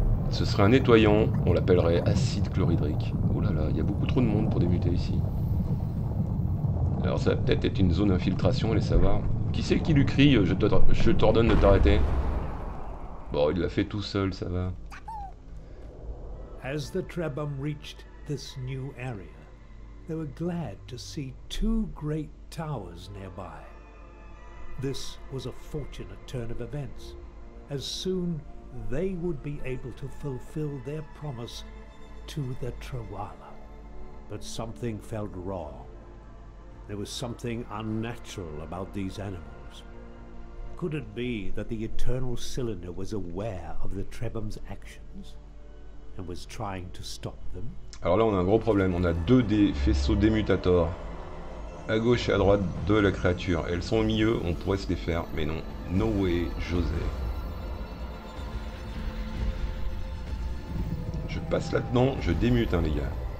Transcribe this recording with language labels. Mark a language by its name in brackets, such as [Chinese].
[French] Ce serait un nettoyant, on l'appellerait acide chlorhydrique. Oh là là, il y a beaucoup trop de monde pour démuter ici. Alors ça va peut-être être une zone d'infiltration, allez savoir. Qui c'est qui lui crie je t'ordonne de t'arrêter? Bon, il l'a fait tout seul, ça va. [English] As the Trebum reached this new area, they were glad to see two great towers nearby. This was a fortunate turn of events. As soon they would be able to fulfill their promise to the Trawala. But something felt wrong. There was something unnatural about these animals. Could it be that the Eternal Cylinder was aware of the Trebum's actions and was trying to stop them? [French] Alors là, on a un gros problème. On a deux des faisceaux démutators à gauche et à droite de la créature. Elles sont au milieu, on pourrait se les faire, mais non. [English] No way, José. [French] Je passe là-dedans, je démute, hein, les gars.